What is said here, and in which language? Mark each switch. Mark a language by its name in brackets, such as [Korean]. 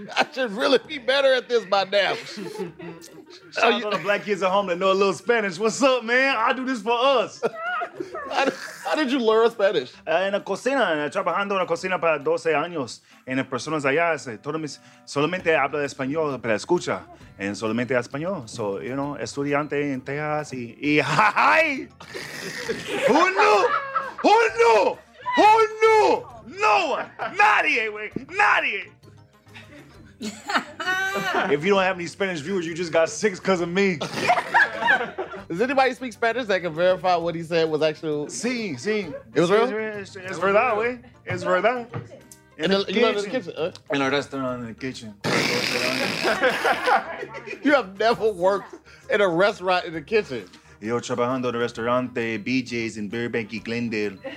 [English] I should really be better at this by now. Shout out to the black kids at home that know a little Spanish. What's up, man? I do this for us. How did you learn Spanish? [Spanish] En la cocina. Trabajando en la cocina para 12 años. En las personas allá, solamente habla español, pero escucha. En solamente español. [English] So, you know, [Spanish] estudiante en Texas y ¡ay! [English] ¡Who knew! ¡Who knew! ¡Who knew! No one! [Spanish] Nadie, wey! Nadie! [English] If you don't have any Spanish viewers, you just got six because of me. Does anybody speak Spanish that can verify what he said was actual? [Spanish] Sí, sí. [English] It was real? It's [Spanish] verdad, wey. It's verdad. [English] In the kitchen. In a restaurant in the kitchen. You have never worked in a restaurant in the kitchen. [Spanish] Yo trabajando en el restaurante BJ's in Burbank y Glendale.